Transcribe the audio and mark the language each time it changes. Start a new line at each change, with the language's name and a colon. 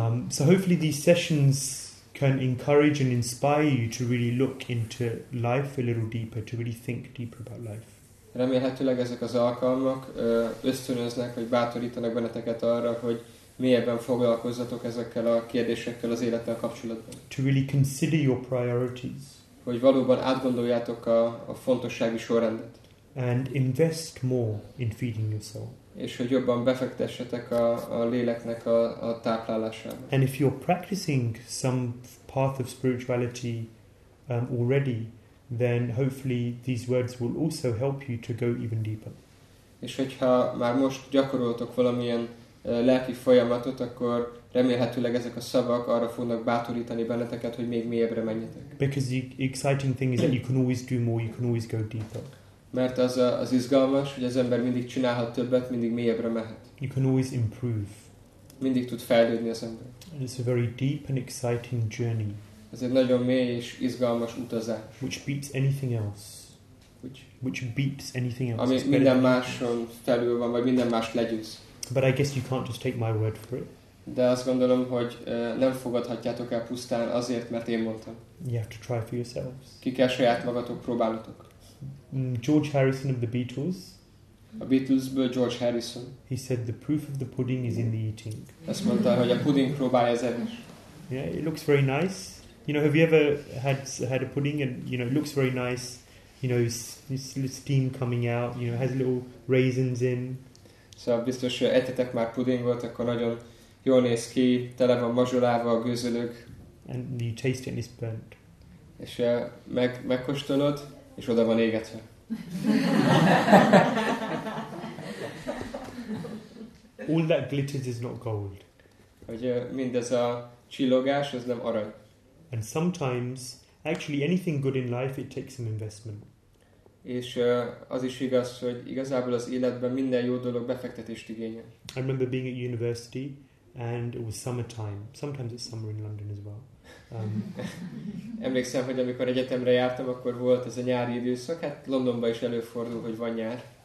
English: So hopefully these sessions can encourage and inspire you to really look into life a little deeper, to really think deeper about life.
Hungarian: Remélhetőleg ezek az alkalmak ösztönöznek, vagy bátorítanak benneteket arra, hogy mélyebben foglalkozzatok ezekkel a kérdésekkel az élettel kapcsolatban.
English: To really consider your priorities.
Hungarian: Hogy valóban átgondoljátok a fontossági sorrendet.
English: And invest more in feeding your soul.
Hungarian: És hogy jobban befektessetek a léleknek a táplálásába.
English: And if you're practicing some path of spirituality already, then hopefully these words will also help you to go even deeper.
Hungarian: És hogyha már most gyakoroltok valamilyen lelki folyamatot, akkor remélhetőleg ezek a szavak arra fognak bátorítani benneteket, hogy még mélyebbre menjetek.
English: Because the exciting thing is that you can always do more, you can always go deeper.
Hungarian: Mert az az izgalmas, hogy az ember mindig csinálhat többet, mindig mélyebbre mehet.
English: You can always improve.
Hungarian: Mindig tud fejlődni az ember.
English: And it's a very deep and exciting journey.
Hungarian: Ez egy nagyon mély és izgalmas utazás.
English: Which beats anything else. Which beats anything else.
Hungarian: Ami minden máson felül van, vagy minden mást legyőz.
English: But I guess you can't just take my word for it.
Hungarian: De azt gondolom, hogy nem fogadhatjátok el pusztán azért, mert én mondtam.
English: You have to try for yourselves.
Hungarian: Ki kell saját magatok próbálnotok.
English: George Harrison of the Beatles.
Hungarian: A Beatlesből George Harrison.
English: He said the proof of the pudding is in the eating.
Hungarian: Azt mondta, hogy a pudding próbálja az evés.
English: Yeah, it looks very nice. You know, have you ever had a pudding and you know it looks very nice? You know, it's steam coming out. You know, has little raisins in.
Hungarian: So, biztos, ettetek már pudingot, akkor nagyon jól néz ki, tele van mazsolával, gőzölök.
English: And you taste it and it's burnt.
Hungarian: És megkóstolod, és oda van égetve.
English: All that glitters is not gold.
Hungarian: Hogy mindez a csillogás, ez nem arany.
English: And sometimes, actually anything good in life, it takes some investment.
Hungarian: És az is igaz, hogy igazából az életben minden jó dolog befektetést igényel.
English: I remember being at university, and it was summertime. Sometimes it's summer in London as well.
Hungarian: Emlékszem, hogy amikor egyetemre jártam, akkor volt ez a nyári időszak. Hát Londonban is előfordul, hogy van nyár.